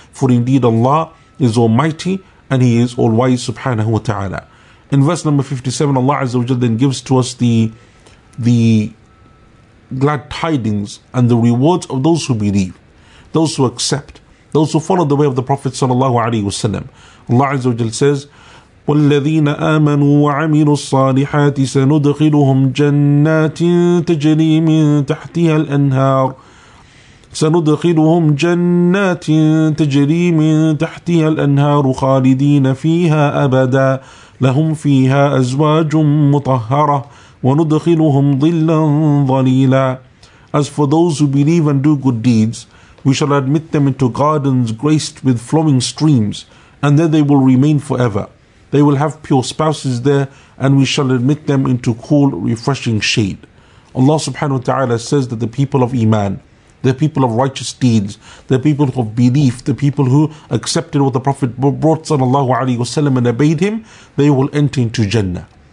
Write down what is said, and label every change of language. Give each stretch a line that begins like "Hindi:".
English: For indeed Allah is Almighty, and He is All-Wise, subhanahu wa ta'ala. In verse number 57, Allah Azza wa Jal then gives to us the glad tidings and the rewards of those who believe, those who accept, those who follow the way of the Prophet sallallahu alaihi wasallam. Allah Azza wa Jal says,
Arabic: وَالَّذِينَ آمَنُوا وَعَمِلُوا الصَّالِحَاتِ سَنُدْخِلُهُمْ جَنَّاتٍ تَجْرِي مِنْ تَحْتِهَا الْأَنْهَارُ سَنُدْخِلُهُمْ جَنَّاتٍ تَجْرِي مِنْ تَحْتِهَا الْأَنْهَارُ خَالِدِينَ فِيهَا أَبَدًا لَهُمْ فِيهَا أَزْوَاجٌ مُطَهَّرَةٌ وَنُدْخِلُهُمْ ظِلًّا ظَلِيلًا.
English: As for those who believe and do good deeds, we shall admit them into gardens graced with flowing streams, and there they will remain forever. They will have pure spouses there, and we shall admit them into cool, refreshing shade. Allah subhanahu wa ta'ala says that the people of Iman, the people of righteous deeds, the people of belief, the people who accepted what the Prophet brought sallallahu alayhi wa sallam and obeyed him, they will enter into Jannah.